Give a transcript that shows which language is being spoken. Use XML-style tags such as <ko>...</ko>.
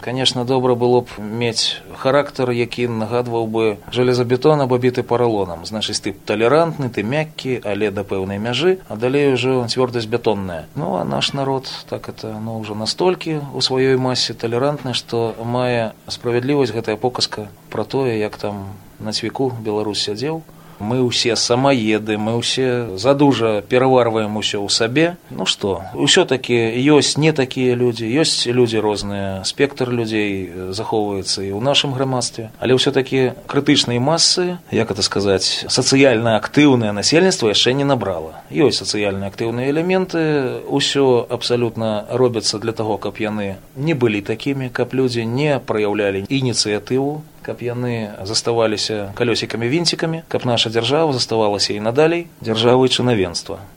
<be>Канешне, добра было б мець характар, які нагадваў бы жалезабетон або біты паралонам. Значыць, ты талерантны, ты мяккі, але да пэўнай мяжы, а далей ўжо цвёрдасць бетонная. Ну, а наш народ,</be> <ru>так это,</ru> <be>ну, ўжо настолькі ў сваёй масе талерантны, што мае справядлівасць гэтая показка пра тое, як там на цвіку Беларусь сядзеў,</be> <ru>мы все самоеды, мы все задужа перевариваем все у себе. Ну что, все-таки есть не такие люди, есть люди разные, спектр людей заховывается и в нашем громадстве. Але все-таки критичные массы, как это сказать, социально активное населенство еще не набрало. Есть социально активные элементы, все абсолютно робится для того, как яны не были такими, как люди не проявляли инициативу.</ru> <be>Каб яны заставаліся калёсікамі-вінцікамі, каб наша дзяржава заставалася і надалей дзяржавай чынавенства.</be>